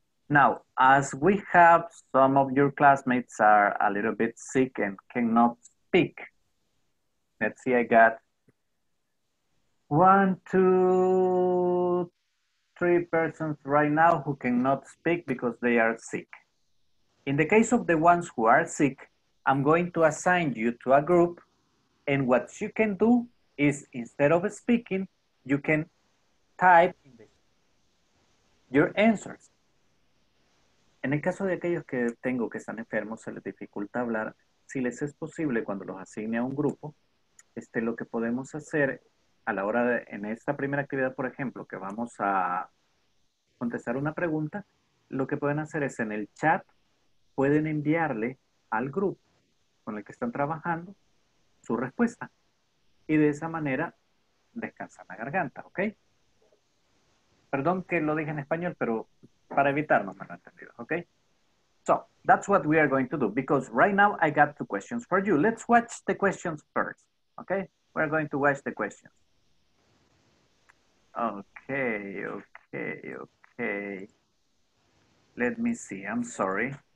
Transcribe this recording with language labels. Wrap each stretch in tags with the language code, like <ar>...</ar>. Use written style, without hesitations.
<en>Now, as we have some of your classmates are a little bit sick and cannot speak, let's see, I got 1, 2, 3 persons right now who cannot speak because they are sick. In the case of the ones who are sick, I'm going to assign you to a group, and what you can do is, instead of speaking, you can type your answers.</en> <es>En el caso de aquellos que tengo que están enfermos, se les dificulta hablar, si les es posible cuando los asigne a un grupo, este, lo que podemos hacer a la hora de, en esta primera actividad, por ejemplo, que vamos a contestar una pregunta, lo que pueden hacer es en el chat, pueden enviarle al grupo con el que están trabajando su respuesta. Y de esa manera descansan la garganta, ¿ok? Perdón que lo dije en español, pero para evitar no me lo he entendido, ¿ok?</es> <en>So, that's what we are going to do, because right now I got two questions for you. Let's watch the questions first, ¿ok? We are going to watch the questions. Okay, okay, okay. Let me see, I'm sorry.</en>